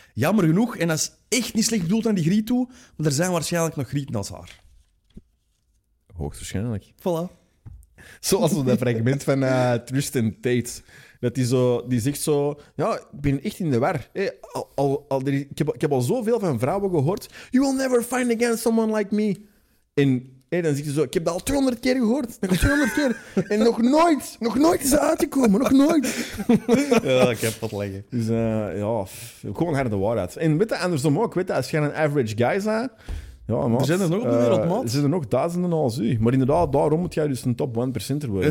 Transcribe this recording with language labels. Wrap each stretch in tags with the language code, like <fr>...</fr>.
<nl>Jammer genoeg, en dat is echt niet slecht bedoeld aan die griet toe, maar er zijn waarschijnlijk nog grieten als haar. Hoogstwaarschijnlijk. Voilà. Zoals dat fragment van Tristan Tate. Dat die, zo, die zegt zo... Ja, ik ben echt in de war. Hey, ik heb al zoveel van vrouwen gehoord.</nl> <en>You will never find again someone like me.</en> <nl>En... Hey, dan zie je zo, ik heb dat al 200 keer gehoord. Nog 200 keer. En nog nooit is het uitgekomen. Nog nooit. Ja, ik heb wat leggen. Dus gewoon harde waarheid. En weet je, andersom ook. Weet je, als je een</nl> <en>average guy</en> <nl>bent... Ja, er zijn er nog op de wereld, man. Er zijn er nog duizenden als u. Maar inderdaad, daarom moet jij dus een top 1%er worden.</nl>